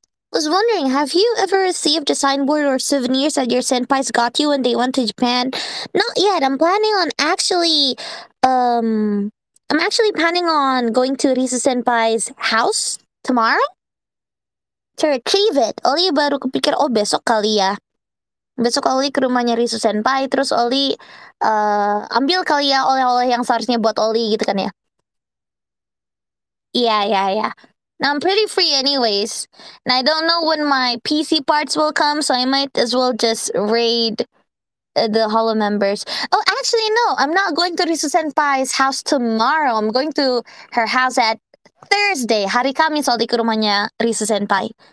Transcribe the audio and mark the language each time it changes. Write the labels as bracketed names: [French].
[English] I was wondering, have you ever received a signboard or souvenirs that your senpais got you when they went to Japan? Not yet. I'm planning on actually, I'm actually planning on going to Risa senpai's house tomorrow to retrieve it. [Indonesian] Oli baru kepikir, oh besok kali ya. Besok Oli ke rumahnya Risa senpai, terus Oli, ambil kali ya oleh-oleh yang seharusnya buat Oli gitu kan ya. [English] Yeah, yeah, yeah. Now, I'm pretty free anyways, and I don't know when my PC parts will come, so I might as well just raid the Holo members. Oh, actually, no, I'm not going to Risa Senpai's house tomorrow. I'm going to her house at Thursday. Hari kami soal di ke rumahnya Risa Senpai.